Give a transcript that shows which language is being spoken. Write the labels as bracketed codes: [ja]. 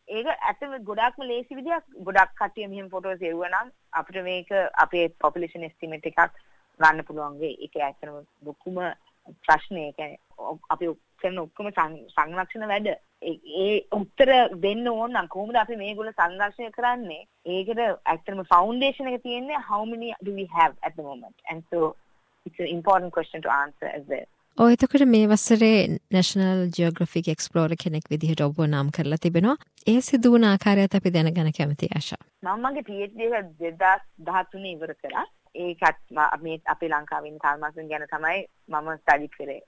[si] ඒක ඇත්තම ගොඩක්ම ලේසි විදියක්. ගොඩක් කට්ටිය මෙහෙම ෆොටෝස් එවුවා නම් අපිට මේක අපේ පොපියුලේෂන් එස්ටිමේට් එකක් ගන්න පුළුවන් වෙයි. ඒක ඇත්තම ලොකුම ප්‍රශ්නේ. ඒ කියන්නේ අපි කරන ඔක්කොම සංරක්ෂණ වැඩ ඒ උත්තර දෙන්න ඕන නම් කොහොමද අපි මේගොල්ල සංරක්ෂණය කරන්නේ? ඒකට ඇත්තම ෆවුන්ඩේෂන් එක තියෙන්නේ [en] how many do we have at the moment, and so it's an important question to answer as well. [si] එතකොට මේ වසරේ නැෂනල් ජියෝග්‍රෆික් එක්ස්ප්ලෝර කෙනෙක් විදිහට ඔබ නම් කරලා තිබෙනවා. ඒ සිදු වුණ ආකාරයත් අපි දැනගන්න කැමති ආශා. මම මගේ PhD එක 2013 ඉවර කරා. ඒකත් මේ අපේ ලංකාවේ තල්මසුන් ගැන තමයි මම ස්ටඩි කරේ.